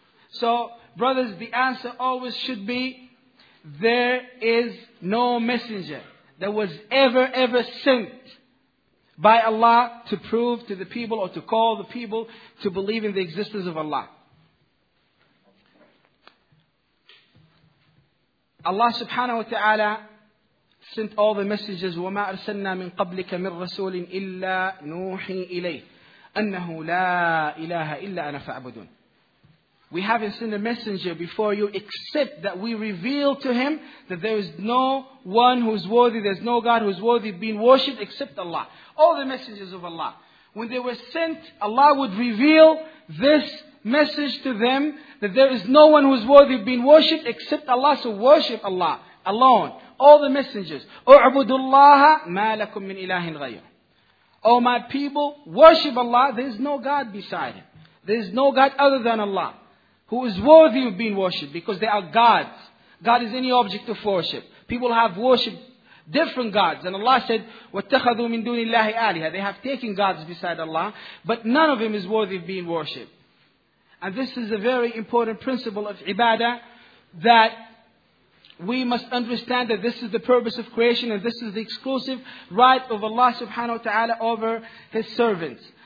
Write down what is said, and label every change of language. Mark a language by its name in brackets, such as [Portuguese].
[English] So, brothers, the answer always should be, there is no messenger that was ever sent by Allah to prove to the people or to call the people to believe in the existence of Allah. [Arabic] Allah subhanahu wa ta'ala [English] sent all the messengers, [Arabic] وَمَا أَرْسَلْنَا مِنْ قَبْلِكَ مِنْ رَسُولٍ إِلَّا نُوحِي إِلَيْهِ أَنَّهُ لَا إِلَٰهَ إِلَّا أَنَا فَعْبُدُونَ. [English] We haven't sent a messenger before you except that we reveal to him that there is no one who is worthy, there is no God who is worthy of being worshipped except Allah. All the messengers of Allah, when they were sent, Allah would reveal this message to them that there is no one who is worthy of being worshipped except Allah. So worship Allah alone. All the messengers, [Arabic] اعبدوا الله ما لكم من إله غير. [English] O my people, worship Allah. There is no God beside Him. There is no God other than Allah who is worthy of being worshipped, because they are gods. God is any object of worship. People have worshipped different gods. And Allah said, [Arabic] واتخذوا من دون الله آلهة. [English] They have taken gods beside Allah, but none of them is worthy of being worshipped. And this is a very important principle of ibadah, that we must understand that this is the purpose of creation and this is the exclusive right of Allah subhanahu wa ta'ala over His servants.